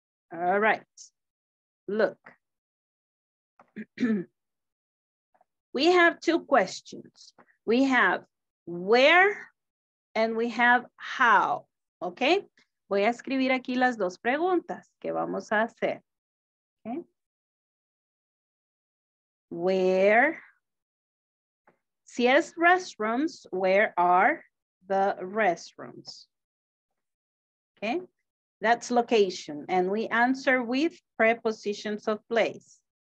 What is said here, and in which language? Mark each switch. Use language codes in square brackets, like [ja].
[en] All right, look, we have two questions. We have where and we have how, okay? [es] Voy a escribir aquí las dos preguntas que vamos a hacer, okay? [en] Where, [es] si es [en] restrooms, where are the restrooms, okay? That's location, and we answer with prepositions of place.